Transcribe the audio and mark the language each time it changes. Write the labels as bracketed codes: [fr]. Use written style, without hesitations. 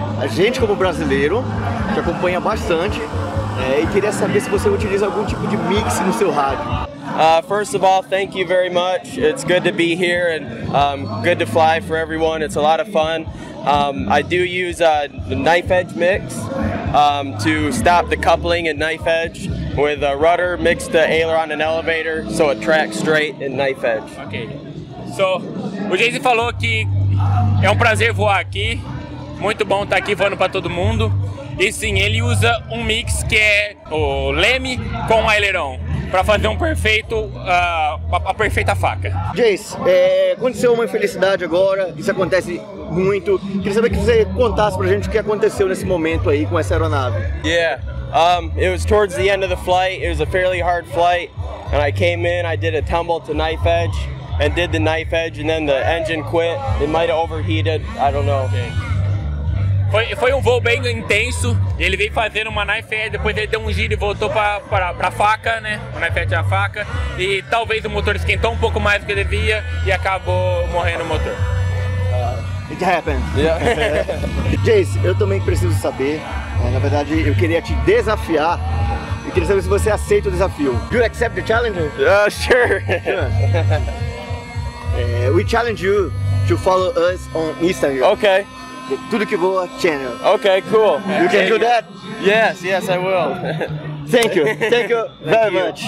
[pt] Gente como brasileiro, que acompanha bastante, e queria saber se você utiliza algum tipo de mix no seu rádio. [en] First of all, thank you very much. It's good to be here and good to fly for everyone. It's a lot of fun. I do use a knife edge mix to stop the coupling and knife edge with a rudder mixed to aileron and elevator so it tracks straight and knife edge. Okay. [pt] So, o Jace falou que é um prazer voar aqui. Muito bom estar aqui voando para todo mundo. E sim, ele usa um mix que é o leme com o aileron para fazer um perfeito, a perfeita faca. Jace, aconteceu uma infelicidade agora, isso acontece muito. Queria saber que você contasse pra gente o que aconteceu nesse momento aí com essa aeronave. [en] Yeah, It was towards the end of the flight. It was a fairly hard flight, and I came in, I did a tumble to knife edge, and did the knife edge, and then the engine quit. It might have overheated, I don't know. [pt] Foi um voo bem intenso, ele veio fazendo uma knife edge, depois ele deu um giro e voltou para a faca, né? O knife edge é a faca, e talvez o motor esquentou um pouco mais do que devia e acabou morrendo o motor. [en] It happened. Yeah. [pt] Jace, eu também preciso saber, na verdade eu queria te desafiar, e queria saber se você aceita o desafio. [en] Do you accept the challenge? Sure. We challenge you to follow us on Instagram. Okay. [pt] Tudo que voa channel. [en] Okay, cool. You can do that? Yes, I will. Thank you. Thank you very much.